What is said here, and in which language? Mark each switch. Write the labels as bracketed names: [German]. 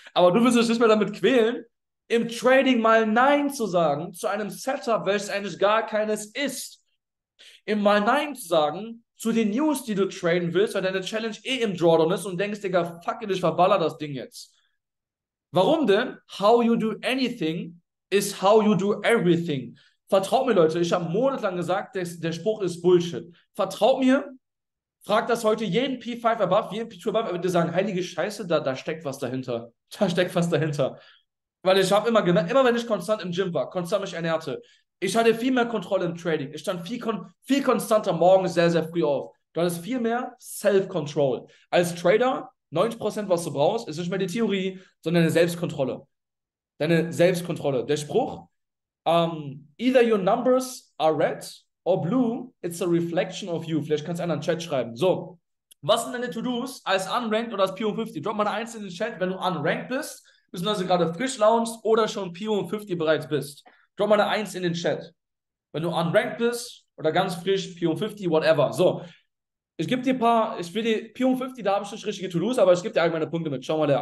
[German] Aber du wirst dich nicht mehr damit quälen, im Trading mal Nein zu sagen zu einem Setup, welches eigentlich gar keines ist. Im mal Nein zu sagen zu den News, die du traden willst, weil deine Challenge eh im Drawdown ist und denkst, Digga, [English] fuck it, [German] ich verballer das Ding jetzt. Warum denn? [English] How you do anything is how you do everything. [German] Vertraut mir, Leute, ich habe monatelang gesagt, der Spruch ist Bullshit. Vertraut mir, fragt das heute jeden P5 above, jeden P2 above, er wird dir sagen, heilige Scheiße, da steckt was dahinter. Da steckt was dahinter. Weil ich habe immer gemerkt, immer wenn ich konstant im Gym war, konstant mich ernährte, ich hatte viel mehr Kontrolle im Trading. Ich stand viel konstanter morgens sehr, sehr früh auf. Du hattest viel mehr Self-Control. Als Trader, 90%, was du brauchst, ist nicht mehr die Theorie, sondern deine Selbstkontrolle. Deine Selbstkontrolle. Der Spruch, [English] either your numbers are red or blue, it's a reflection of you. [German] Vielleicht kannst du einen in den Chat schreiben. So, was sind deine To-Dos als Unranked oder als PO 50? Drop mal eine Eins in den Chat, wenn du Unranked bist, beziehungsweise gerade frisch launchst oder schon PO 50 bereits bist. Drop mal eine Eins in den Chat, wenn du Unranked bist oder ganz frisch PO 50, whatever. So, ich gebe dir ein paar, ich will dir PO 50, da habe ich nicht richtige To-Dos, aber ich gebe dir allgemeine Punkte mit. Schau mal, da.